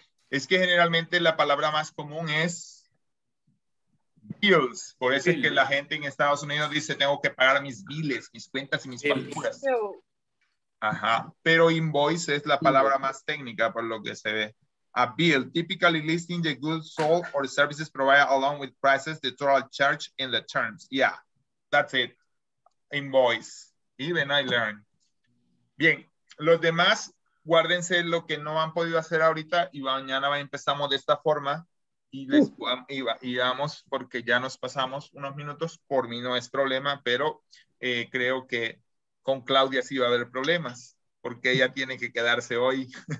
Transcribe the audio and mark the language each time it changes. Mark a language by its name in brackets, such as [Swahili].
[Spanish] Es que generalmente la palabra más común es bills. Por eso es que la gente en Estados Unidos dice, tengo que pagar mis bills, mis cuentas y mis facturas. Ajá. Pero invoice es la palabra más técnica, por lo que se ve. [English] A bill, typically listing the goods sold or services provided along with prices, the total charge and the terms. Yeah, that's it. Invoice. Even I learned. [Spanish] Bien, los demás, guárdense lo que no han podido hacer ahorita y mañana empezamos de esta forma. Y vamos, porque ya nos pasamos unos minutos, por mí no es problema, pero creo que con Claudia sí va a haber problemas, porque ella tiene que quedarse hoy.